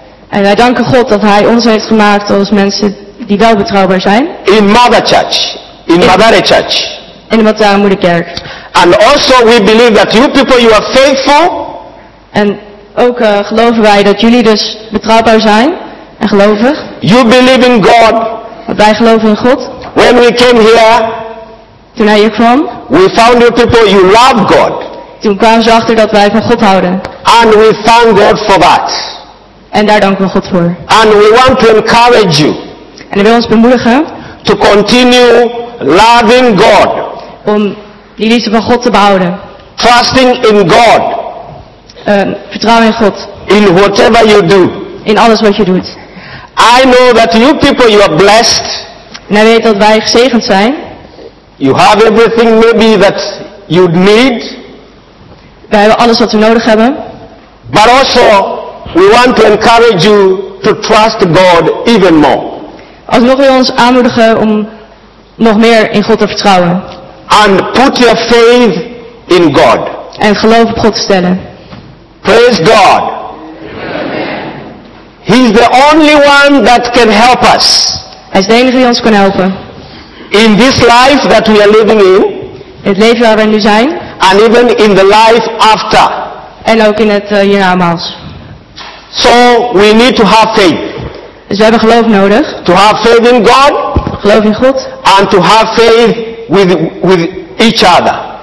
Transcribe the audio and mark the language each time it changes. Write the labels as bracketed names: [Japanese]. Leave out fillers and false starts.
[Dutch] En wij danken God dat Hij ons heeft gemaakt als mensen die wel betrouwbaar zijn. [English] In Mother Church, in Mother Church. [Dutch] In de Matara Moederkerk. [English] And also we believe that you people you are faithful. [Dutch] En ook geloven wij dat jullie dus betrouwbaar zijn en gelovig. [English] You believe in God. [Dutch] Want wij geloven in God. [English] When we came here, [Dutch] toen hij hier kwam, [English] we found you people you love God. [Dutch] Toen kwamen ze achter dat wij van God houden. [English] And we thank God for that. [Dutch] En daar danken we God voor. [English] And we want to encourage you. [Dutch] En we willen ons bemoedigen. [English] To continue loving God. [Dutch] Om die liefde van God te behouden. [English] Trusting in God. [Dutch] Vertrouwen in God. [English] In whatever you do. [Dutch] In alles wat je doet. [English] I know that you people you are blessed. [Dutch] En hij weet dat wij gezegend zijn. [English] You have everything maybe that you need. [Dutch] Wij hebben alles wat we nodig hebben. [English] But also we want to encourage you to trust God even more. [Dutch] Alsnog wil ons aanmoedigen om nog meer in God te vertrouwen. [English] And put your faith in God. [Dutch] En geloof op God te stellen. [English] Praise God. Amen. He's the only one that can help us. [Dutch] Hij is de enige die ons kan helpen. [English] In this life that we are living in. [Dutch] Het leven waar we nu zijn. [English] And even in the life after. [Dutch] En ook in het hiernamaals. [English] So we need to have faith. [Dutch] Dus we hebben geloof nodig. [English] To have faith in God. [Dutch] Geloof in God. [English] And to have faith with each other.